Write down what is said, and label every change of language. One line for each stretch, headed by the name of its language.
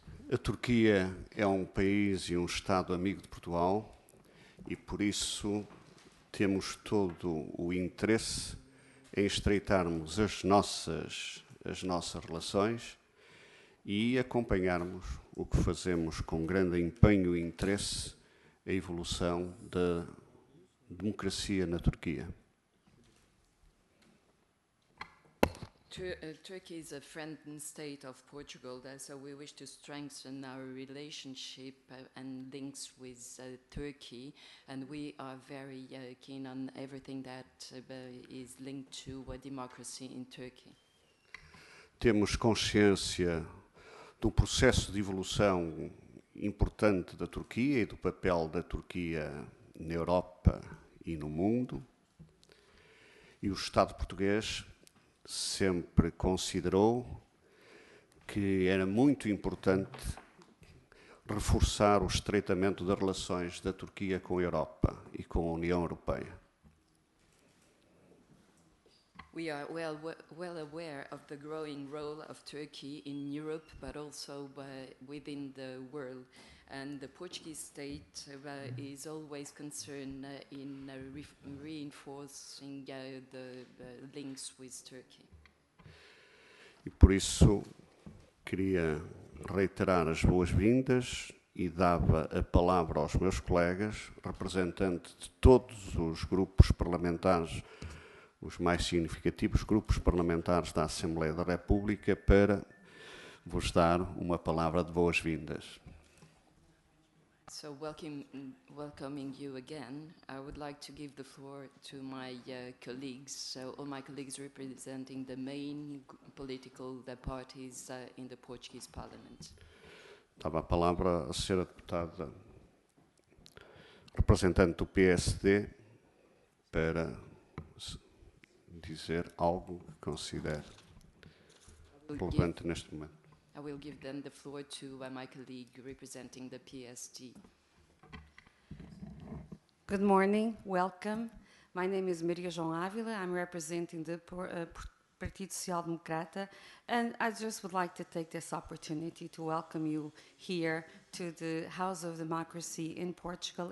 Portuguese: A Turquia é um país e um Estado amigo de Portugal e, por isso, temos todo o interesse em estreitarmos as nossas relações e acompanharmos o que fazemos com grande empenho e interesse a evolução da democracia na Turquia.
English: Turkey is a friend and state of Portugal, so we wish to strengthen our relationship and links with Turkey, and we are very keen on everything that is linked to democracy in Turkey.
Portuguese: Temos consciência do processo de evolução importante da Turquia e do papel da Turquia na Europa e no mundo, e o Estado português sempre considerou que era muito importante reforçar o estreitamento das relações da Turquia com a Europa e com a União Europeia.
English: We are well aware of the growing role of Turkey in Europe, but also within the world. And the Portuguese state is always concerned in reinforcing the links with Turkey.
Portuguese: E por isso queria reiterar as boas-vindas e dava a palavra aos meus colegas, representantes de todos os grupos parlamentares, os mais significativos grupos parlamentares da Assembleia da República, para vos dar uma palavra de boas-vindas.
English: So welcoming you again, I would like to give the floor to my colleagues, so all my colleagues representing the main political parties in the Portuguese Parliament.
Portuguese: Dava a palavra a senhora deputada representante do PSD para dizer algo que considere relevante neste momento.
English: I will give then the floor to my colleague representing the PSD. Good morning, welcome. My name is Maria João Ávila. I'm representing the Partido Social Democrata, and I just would like to take this opportunity to welcome you here to the House of Democracy in Portugal.